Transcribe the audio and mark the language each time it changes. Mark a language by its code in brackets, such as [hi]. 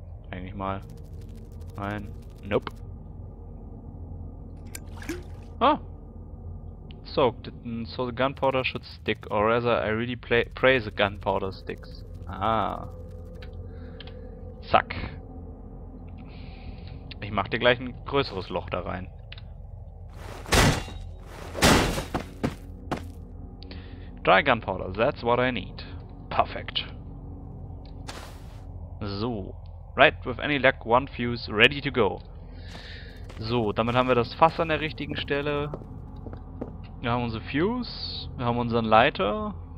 [de] Eigentlich mal. Nein. Nope. Oh! [en] Soaked it, so the gunpowder should stick, or rather, I really pray the gunpowder sticks. [de] Ah. Zack. Ich mach dir gleich ein größeres Loch da rein. [en] Dry gunpowder, that's what I need. Perfect. So. Right, with any luck, one fuse ready to go. [de] So, damit haben wir das Fass an der richtigen Stelle. Wir haben unsere Fuse, wir haben unseren Leiter.